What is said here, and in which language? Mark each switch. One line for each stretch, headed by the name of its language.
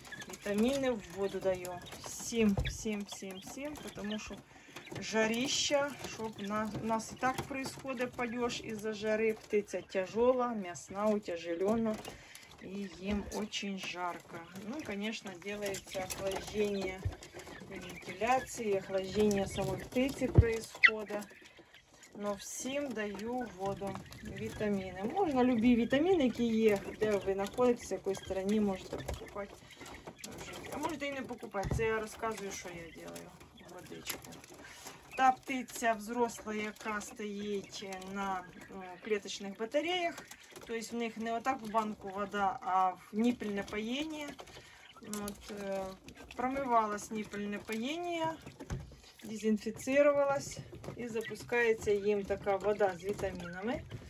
Ukrainian: Вітаміни в воду даю. Всім-всім-всім-всім, тому що жаріща, щоб у нас і так відбувається падеж із-за жари. Птиця тяжела, м'ясна, утяжелена. І їм дуже жарко. Ну, звісно, робиться охлаждення.
Russian: Вентиляции, охлаждение самой птицы происходит. Но всем даю воду, витамины. Можно любые витамины, какие есть, где вы находитесь, в какой стране можете покупать. А можете и не покупать, это я рассказываю, что я делаю. Водичку. Та птица взрослая, яка стоит на клеточных батареях. То есть у них не вот так в банку вода, а в ниппельное поение.
Ukrainian: От, промивала сніпельне поєння, дезінфіцірувалась і запускається їм така вода з вітамінами.